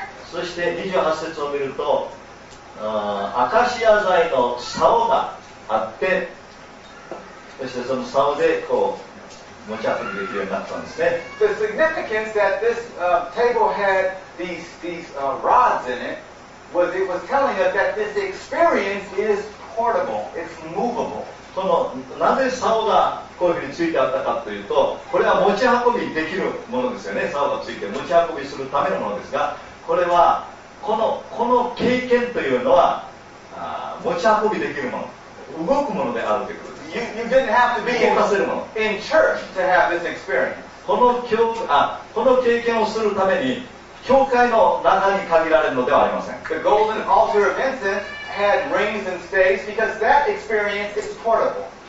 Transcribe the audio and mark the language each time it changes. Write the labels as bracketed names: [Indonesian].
[Japanese] そして28節を見ると、アカシア材の竿があって、そしてその竿でこう持ち運びできるようになったんですね。 [English] The significance that this table had these rods in it was it was telling us that this experience is portable, it's movable. [Japanese] そのなぜ竿がこういうふうについてあったかというと、これは持ち運びできるものですよね。竿がついて持ち運びするためのものですが、これはこの経験というのは持ち運びできるもの、動くものであるということです。 [English] You didn't have to be [Japanese] 動かせるもの。 [English] In church to have this experience. [Japanese] この経験をするために教会の中に限られるのではありません。 [English] The golden altar of incense had rings and staves because that experience is portable.